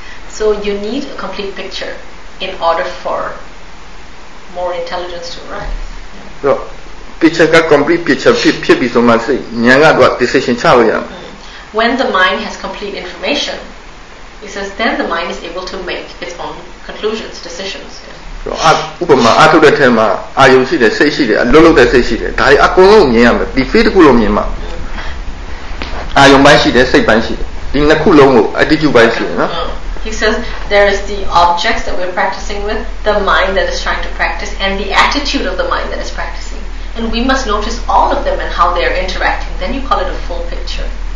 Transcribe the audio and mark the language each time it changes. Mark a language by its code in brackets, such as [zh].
[en] So you need a complete picture in order for more intelligence to arise. Picture got complete picture [my] ဖြစ်ပြီဆိုမှစိတ်ဉာဏ်ကတော့ decision ချလို့ရမယ် [en] When the mind has complete information, it says then the mind is able to make its own conclusions, decisions. [my] ဆိုအဥပမာအထုတဲ့ထဲမှာအာယုံရှိတယ်စိတ်ရှိတယ်အလွတ်လုတဲ့စိတ်ရှိတယ်ဒါတွေအကုန်လုံးမြင်ရမယ်ဒီဖေးတစ်ခုလုံးမြင်မှာအာယုံပိုင်းရှိတယ်စိတ်ပိုင်းရှိတယ်ဒီနှစ်ခုလုံးကို attitude ပိုင်းရှိတယ်နော် [en] He says there is the objects that we're practicing with, the mind that is trying to practice, and the attitude of the mind that is practicing. And we must notice all of them and how they are interacting. Then you call it a full picture.